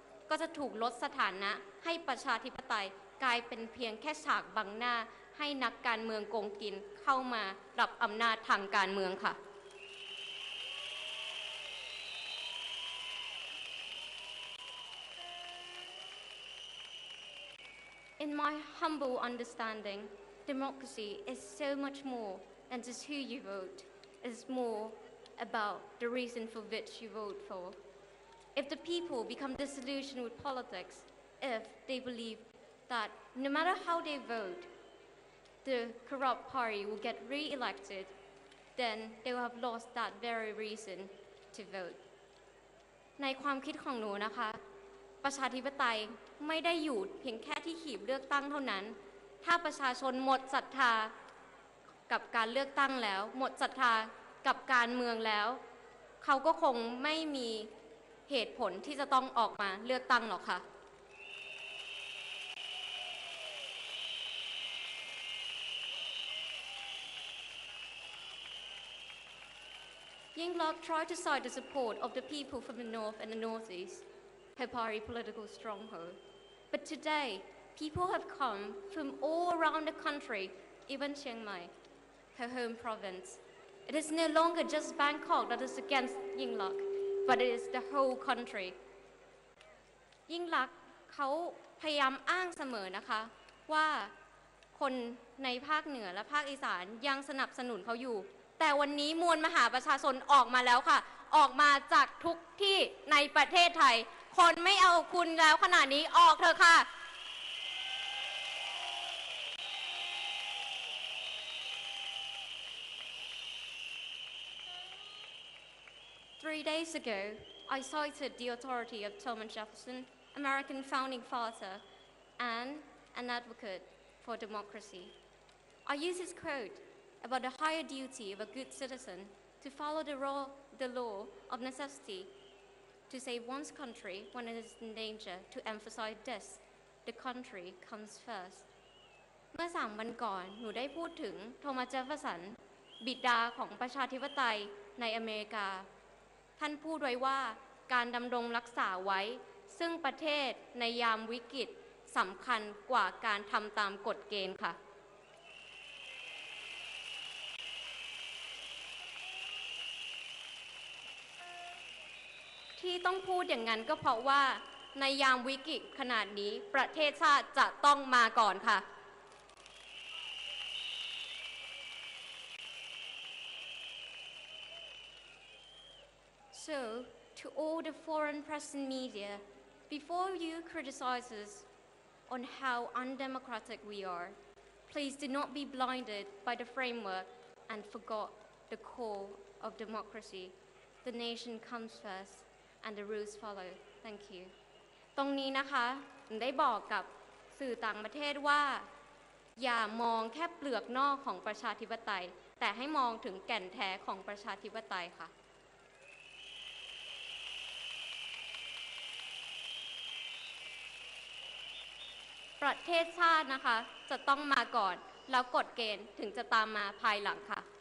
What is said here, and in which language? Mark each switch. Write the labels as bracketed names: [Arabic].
[Thai] ก็จะถูกลดสถานะให้ประชาธิปไตยกลายเป็นเพียงแค่ฉากบังหน้าให้นักการเมืองโกงกินเข้ามารับอำนาจทางการเมืองค่ะ [English] In my humble understanding, democracy is so much more than just who you vote. It's moreabout the reason for which you vote for. If the people become disillusioned with politics, if they believe that no matter how they vote, the corrupt party will get re-elected, then they will have lost that very reason to vote. [Thai] ในความคิดของหนูนะคะประชาธิปไตยไม่ได้อยู่เพียงแค่ที่หีบเลือกตั้งเท่านั้นถ้าประชาชนหมดศรัทธา กับการเลือกตั้งแล้วหมดศรัทธากับการเมืองแล้วเขาก็คงไม่มีเหตุผลที่จะต้องออกมาเลือกตั้งหรอกค่ะ [English] Yingluck tried to cite the support of the people from the north and the northeast, her party political stronghold. But today, people have come from all around the country, even Chiang Mai, her home province. It is no longer just Bangkok that is against Yingluck, but it is the whole country. [Thai] Yingluck, เขาพยายามอ้างเสมอนะคะว่าคนในภาคเหนือและภาคอีสานยังสนับสนุนเขาอยู่แต่วันนี้มวลมหาประชาชนออกมาแล้วค่ะออกมาจากทุกที่ในประเทศไทยคนไม่เอาคุณแล้วขนาดนี้ออกเถอะค่ะ [English] Three days ago, I cited the authority of Thomas Jefferson, American founding father, and an advocate for democracy. I use his quote about the higher duty of a good citizen to follow the law of necessity to save one's country when it is in danger to emphasize this, the country comes first. [Thai] เมื่อ3วันก่อนหนูได้พูดถึงโทมัสเจฟเฟอร์สันบิดาของประชาธิปไตยในอเมริกาท่านพูดไว้ว่าการดำรงรักษาไว้ซึ่งประเทศในยามวิกฤตสำคัญกว่าการทำตามกฎเกณฑ์ค่ะ ที่ต้องพูดอย่างนั้นก็เพราะว่าในยามวิกฤตขนาดนี้ประเทศชาติจะต้องมาก่อนค่ะ [English] So, to all the foreign press and media, before you criticize us on how undemocratic we are, please do not be blinded by the framework and forget the core of democracy. The nation comes first and the rules follow. Thank you. [Thai] ตรงนี้นะคะได้บอกกับสื่อต่างประเทศว่าอย่ามองแค่เปลือกนอกของประชาธิปไตยแต่ให้มองถึงแก่นแท้ของประชาธิปไตยค่ะประเทศชาตินะคะจะต้องมาก่อนแล้วกฎเกณฑ์ถึงจะตามมาภายหลังค่ะ